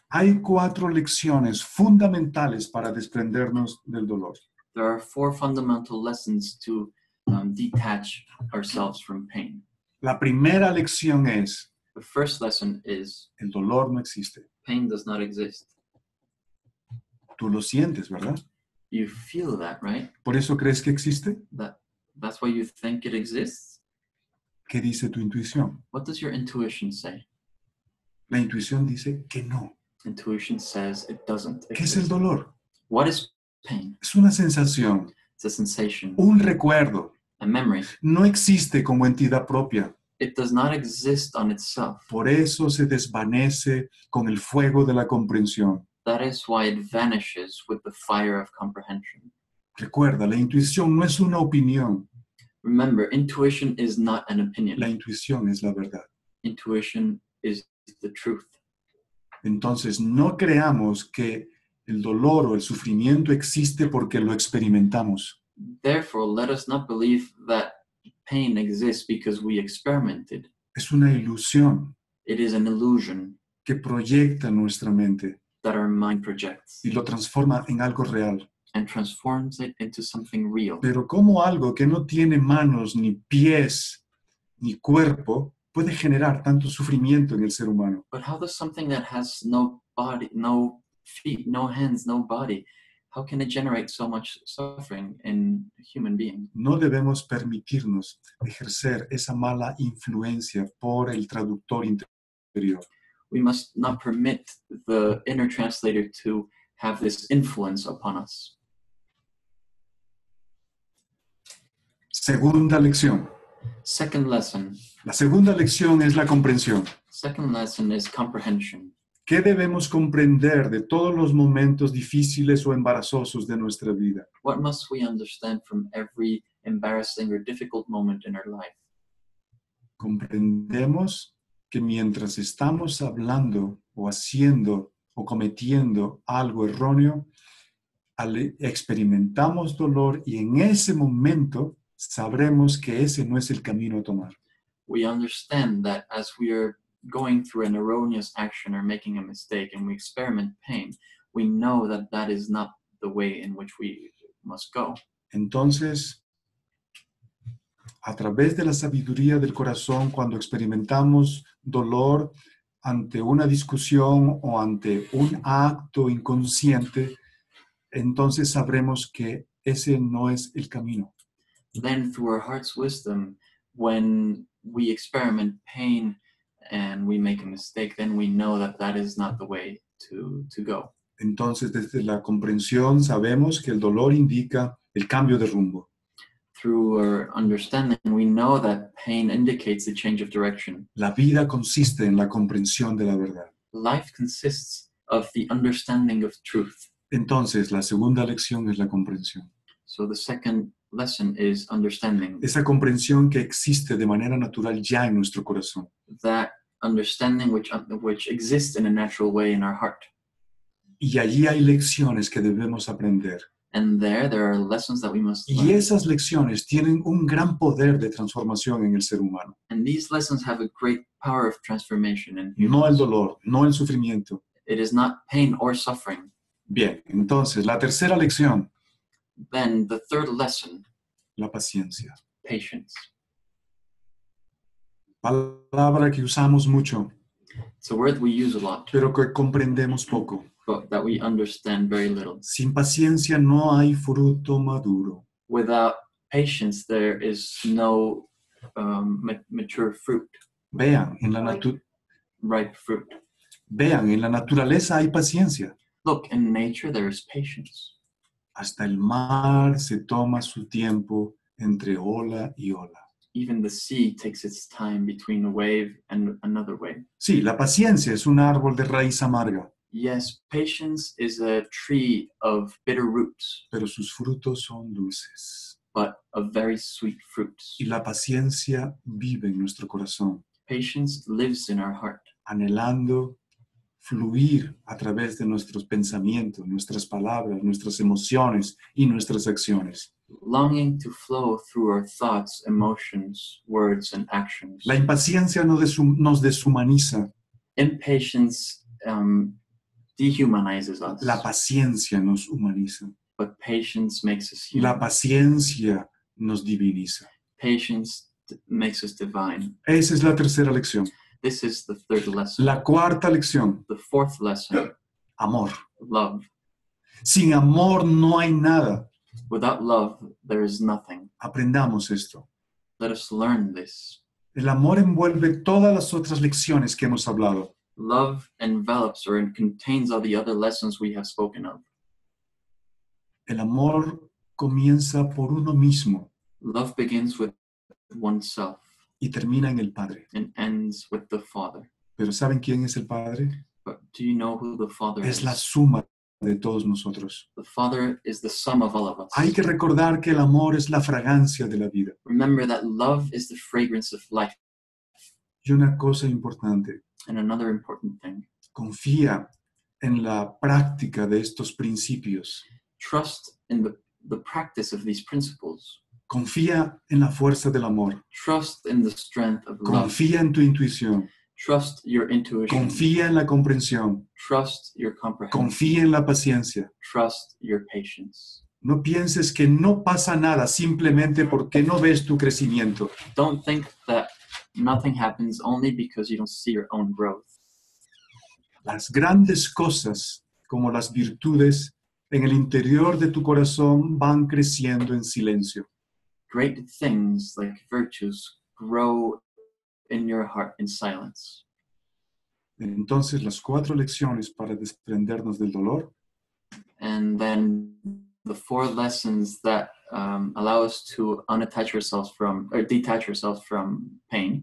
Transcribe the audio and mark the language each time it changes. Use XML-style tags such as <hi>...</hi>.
<es>Hay cuatro lecciones fundamentales para desprendernos del dolor.</es> <en>There are four fundamental lessons to detach ourselves from pain.</en> <es>La primera lección es,</es> <en>the first lesson is,</en> <es>el dolor no existe.</es> <en>Pain does not exist.</en> <es>Tú lo sientes, ¿verdad?</es> <en>You feel that, right?</en> <es>¿Por eso crees que existe?</es> <en>That's why you think it exists.</en> <es>¿Qué dice tu intuición?</es> <en>What does your intuition say?</en> <es>La intuición dice que no.</es> <en>Intuition says it doesn't exist.</en> <es>¿Qué es el dolor?</es> <en>What is pain?</en> <es>Es una sensación.</es> <en>It's a sensation.</en> <es>Un recuerdo.</es> <en>A memory.</en> <es>No existe como entidad propia.</es> <en>It does not exist on itself.</en> <es>Por eso se desvanece con el fuego de la comprensión.</es> <en>That is why it vanishes with the fire of comprehension.</en> <es>Recuerda, la intuición no es una opinión.</es> <en>Remember, intuition is not an opinion.</en> <es>La intuición es la verdad.</es> <en>Intuition is the truth.</en> <es>Entonces, no creamos que el dolor o el sufrimiento existe porque lo experimentamos.</es> <en>Therefore, let us not believe that pain exists because we experimented.</en> <es>Es una ilusión.</es> <en>It is an illusion.</en> <es>Que proyecta nuestra mente.</es> <en>That our mind projects.</en> <es>Y lo transforma en algo real.</es> <en>And transforms it into something real.</en> <es>Pero ¿cómo algo que no tiene manos, ni pies, ni cuerpo puede generar tanto sufrimiento en el ser humano?</es> <en>But how does something that has no body, no feet, no hands, no body, how can it generate so much suffering in a human being?</en> <es>No debemos permitirnos ejercer esa mala influencia por el traductor interior.</es> <en>We must not permit the inner translator to have this influence upon us.</en> <es>Segunda lección.</es> <en>Second lesson.</en> <es>La segunda lección es la comprensión.</es> <en>Second lesson is comprehension.</en> <es>¿Qué debemos comprender de todos los momentos difíciles o embarazosos de nuestra vida?</es> <en>What must we understand from every embarrassing or difficult moment in our life?</en> <es>Comprendemos que mientras estamos hablando o haciendo o cometiendo algo erróneo, experimentamos dolor y en ese momento sabremos que ese no es el camino a tomar.</es> <en>We understand that as we are going through an erroneous action or making a mistake and we experiment pain, we know that that is not the way in which we must go.</en> <es>Entonces, a través de la sabiduría del corazón, cuando experimentamos dolor ante una discusión o ante un acto inconsciente, entonces sabremos que ese no es el camino.</es> <en>Then through our heart's wisdom, when we experiment pain and we make a mistake, then we know that that is not the way to go.</en> <es>Entonces, desde la comprensión, sabemos que el dolor indica el cambio de rumbo.</es> <en>Through our understanding, we know that pain indicates the change of direction.</en> <es>La vida consiste en la comprensión de la verdad.</es> <en>Life consists of the understanding of truth.</en> <es>Entonces, la segunda lección es la comprensión.</es> <en>So the second lesson is understanding.</en> <es>Esa comprensión que existe de manera natural ya en nuestro corazón.</es> <en>That understanding which exists in a natural way in our heart.</en> <es>Y allí hay lecciones que debemos aprender.</es> <en>And there are lessons that we must learn.</en> <es>Y esas lecciones tienen un gran poder de transformación en el ser humano.</es> <en>And these lessons have a great power of transformation in humans.</en> <es>No el dolor, no el sufrimiento.</es> <en>It is not pain or suffering.</en> <es>Bien, entonces, la tercera lección.</es> <en>Then the third lesson.</en> <es>La paciencia.</es> <en>Patience.</en> <es>Palabra que usamos mucho.</es> <en>It's a word we use a lot.</en> <es>Pero que comprendemos poco.</es> <en>But that we understand very little.</en> <es>Sin paciencia no hay fruto maduro.</es> <en>Without patience there is no mature fruit.</en> <es>Vean, en la naturaleza.</es> <en>Ripe fruit.</en> <es>Vean, en la naturaleza hay paciencia.</es> <en>Look, in nature there is patience.</en> <es>Hasta el mar se toma su tiempo entre ola y ola.</es> <en>Even the sea takes its time between a wave and another wave.</en> <es>Sí, la paciencia es un árbol de raíz amarga.</es> <en>Yes, patience is a tree of bitter roots.</en> <es>Pero sus frutos son dulces.</es> <en>But of very sweet fruits.</en> <es>Y la paciencia vive en nuestro corazón.</es> <en>Patience lives in our heart.</en> <es>Anhelando fluir a través de nuestros pensamientos, nuestras palabras, nuestras emociones y nuestras acciones.</es> <en>Longing to flow through our thoughts, emotions, words, and actions.</en> <es>La impaciencia nos deshumaniza.</es> <en>Impatience dehumanizes us.</en> <es>La paciencia nos humaniza.</es> <en>But patience makes us human.</en> <es>La paciencia nos diviniza.</es> <en>Patience makes us divine.</en> <es>Esa es la tercera lección.</es> <en>This is the third lesson.</en> <es>La cuarta lección.</es> <en>The fourth lesson.</en> <es>Amor.</es> <en>Love.</en> <es>Sin amor no hay nada.</es> <en>Without love, there is nothing.</en> <es>Aprendamos esto.</es> <en>Let us learn this.</en> <es>El amor envuelve todas las otras lecciones que hemos hablado.</es> <en>Love envelops or contains all the other lessons we have spoken of.</en> <es>El amor comienza por uno mismo.</es> <en>Love begins with oneself.</en> <es>Y termina en el Padre.</es> <en>And ends with the Father.</en> <es>¿Pero saben quién es el Padre?</es> <en>But do you know who the Father is?</en> <es>Es la suma de todos nosotros.</es> <en>The Father is the sum of all of us.</en> <es>Hay que recordar que el amor es la fragancia de la vida.</es> <en>Remember that love is the fragrance of life.</en> <es>Y una cosa importante.</es> <en>And another important thing.</en> <es>Confía en la práctica de estos principios.</es> <en>Trust in the practice of these principles.</en> <es>Confía en la fuerza del amor.</es> <en>Trust in the strength of love.</en> <es>Confía en tu intuición.</es> <en>Trust your intuition.</en> <es>Confía en la comprensión.</es> <en>Trust your comprehension.</en> <es>Confía en la paciencia.</es> <en>Trust your patience.</en> <es>No pienses que no pasa nada simplemente porque no ves tu crecimiento.</es> <en>Don't think that nothing happens only because you don't see your own growth.</en> <es>Las grandes cosas, como las virtudes, en el interior de tu corazón van creciendo en silencio.</es> <en>Great things like virtues grow in your heart in silence.</en> <es>Entonces, las cuatro lecciones para desprendernos del dolor.</es> <en>And then the four lessons that allow us to unattach ourselves from or detach ourselves from pain.</en>